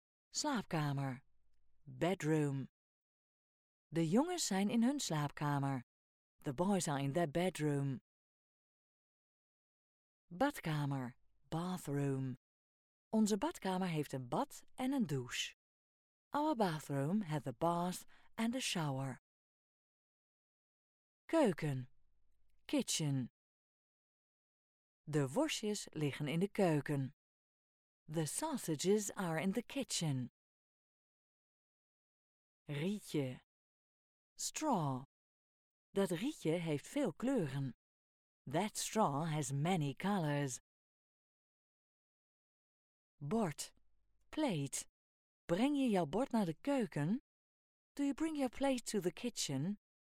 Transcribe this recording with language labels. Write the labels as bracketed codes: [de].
[nl] Slaapkamer. Bedroom. De jongens zijn in hun slaapkamer. [en] The boys are in their bedroom. [nl] Badkamer. Bathroom. Onze badkamer heeft een bad en een douche. [en] Our bathroom has a bath and a shower. [nl] Keuken. Kitchen. De worstjes liggen in de keuken. [en] The sausages are in the kitchen. [nl] Rietje. Straw. Dat rietje heeft veel kleuren. [en] That straw has many colors. [nl] Bord. Plate. Breng je jouw bord naar de keuken? [en] Do you bring your plate to the kitchen?